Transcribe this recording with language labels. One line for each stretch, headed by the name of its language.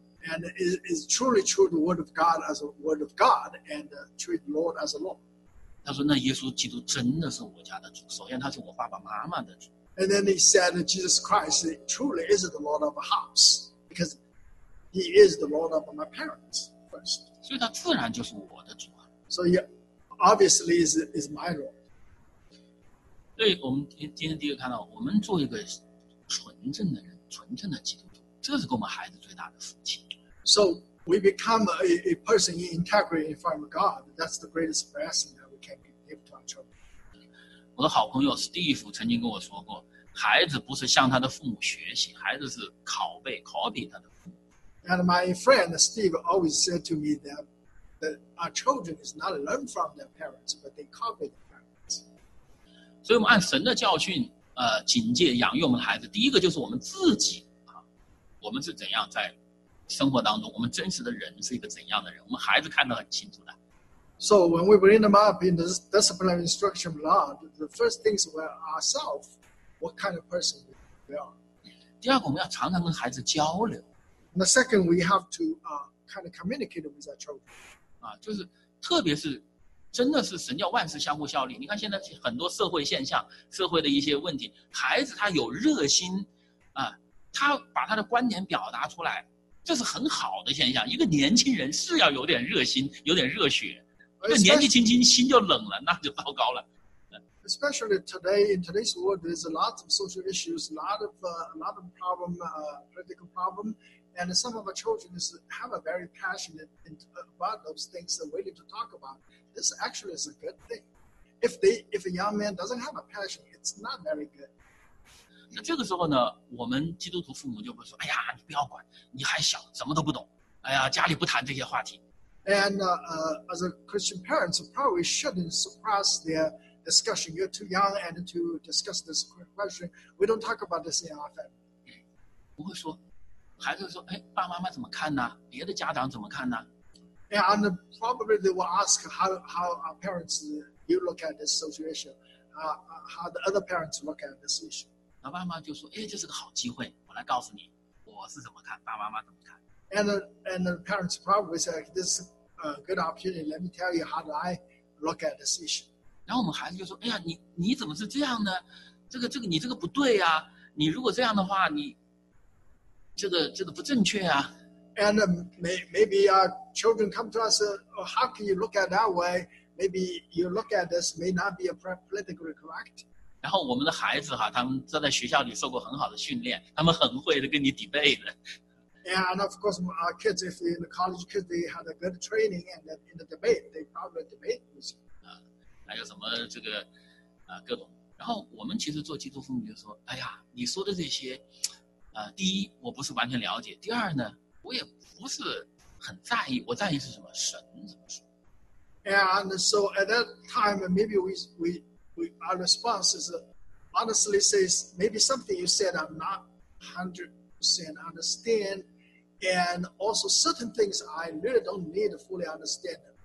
English: And it's truly true the word of God as a word of God, and treat Lord as a Lord.
Chinese: 他说：“那耶稣基督真的是我家的主。首先，他是我爸爸妈妈的主。”
English: And then he said, Jesus Christ truly is the Lord of a house because he is the Lord of my parents first.
Chinese: 所以他自然就是我的主啊。
English: So he obviously is my Lord.
Chinese: 对，我们今天第一个看到，我们做一个纯正的人，纯正的基督徒，这是给我们孩子最大的福气。
English: So we become a person in integrity in front of God. That's the greatest blessing that we can give to our children.
Chinese: 我的好朋友 Steve 曾经跟我说过，孩子不是向他的父母学习，孩子是拷贝 copy 他的父母。
English: And my friend Steve always said to me that our children is not learn from their parents, but they copy their parents.
Chinese: 所以我们按神的教训，警戒养育我们的孩子，第一个就是我们自己啊，我们是怎样在生活当中，我们真实的人是一个怎样的人，我们孩子看得很清楚的。
English: So when we bring them up in the discipline instruction of Lord, the first thing is we are ourselves, what kind of person we are.
Chinese: 第二个，我们要常常跟孩子交流。
English: And the second, we have to kind of communicate with our children.
Chinese: 啊，就是特别是真的是神叫万事相互效力。你看现在很多社会现象，社会的一些问题，孩子他有热心，啊，他把他的观点表达出来，这是很好的现象。一个年轻人是要有点热心，有点热血。那年纪轻轻心就冷了，那就糟糕了。
English: Especially today, in today's world, there's a lot of social issues, a lot of problem, political problem, and some of our children have a very passionate about those things they're willing to talk about. This actually is a good thing. If a young man doesn't have a passion, it's not very good.
Chinese: 那这个时候呢，我们基督徒父母就会说，哎呀，你不要管，你还小，什么都不懂，哎呀，家里不谈这些话题。
English: And as a Christian parent, so probably shouldn't suppress their discussion. You're too young and to discuss this question. We don't talk about this in our family.
Chinese: 不会说，孩子说，哎，爸妈妈怎么看呢？别的家长怎么看呢？
English: And probably they will ask how our parents you look at this situation, how the other parents look at this issue.
Chinese: 那爸妈就说，哎，这是个好机会，我来告诉你，我是怎么看，爸妈妈怎么看。
English: And the parents probably say, this is a good opportunity. Let me tell you how do I look at this issue.
Chinese: 然后我们孩子就说，哎呀，你怎么是这样呢？这个你这个不对啊，你如果这样的话，你这个不正确啊。
English: And maybe our children come to us, how can you look at that way? Maybe you look at this may not be politically correct.
Chinese: 然后我们的孩子哈，他们都在学校里受过很好的训练，他们很会的跟你 debate 的。
English: And of course, our kids, if in the college kids, they had a good training, and in the debate, they probably debate with you.
Chinese: 还有什么这个各种。然后我们其实做基督徒就说，哎呀，你说的这些，第一我不是完全了解，第二呢我也不是很在意，我在意是什么，神怎么说。
English: And so at that time, maybe we our response is honestly says maybe something you said I'm not 100% understand, and also certain things I really don't need to fully understand.